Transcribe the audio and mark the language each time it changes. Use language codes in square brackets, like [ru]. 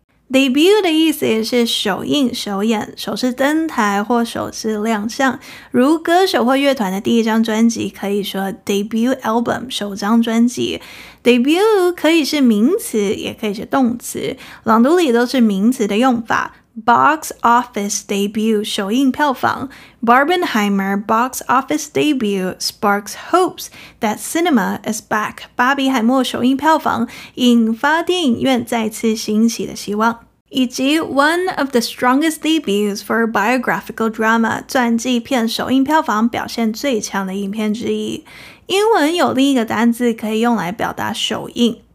[zh] Debut 的意思也是首映、首演、首次登台或首次亮相。如歌手或乐团的第一张专辑，可以说 [en] debut album [zh] 首张专辑。 Debut 可以是名词，也可以是动词。朗读里都是名词的用法。 [en] Box office debut [zh] 首映票房。 [en] Barbenheimer box office debut sparks hopes that cinema is back. [zh] 巴比海默首映票房引发电影院再次兴起的希望。以及 [en] one of the strongest debuts for biographical drama [zh] 传记片首映票房表现最强的影片之一。英文有另一个单字可以用来表达首映。